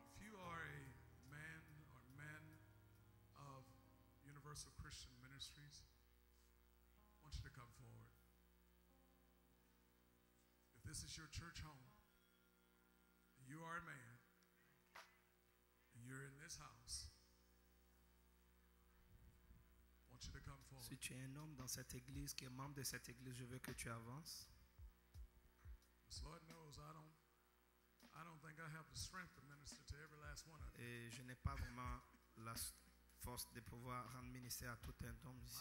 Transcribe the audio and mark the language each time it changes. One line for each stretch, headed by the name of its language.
English: If you are a man or man of Universal Christian Ministries, I want you to come forward. If this is your church home, you are a man, and you're in this house, you to come forward.
French: Si tu es un homme dans cette église qui est membre de cette église, je veux que tu avances.
English: This Lord knows I don't think I have the strength to minister to every last one of you.
French: Et je n'ai pas vraiment la force de pouvoir rendre ministère à tout un homme ici.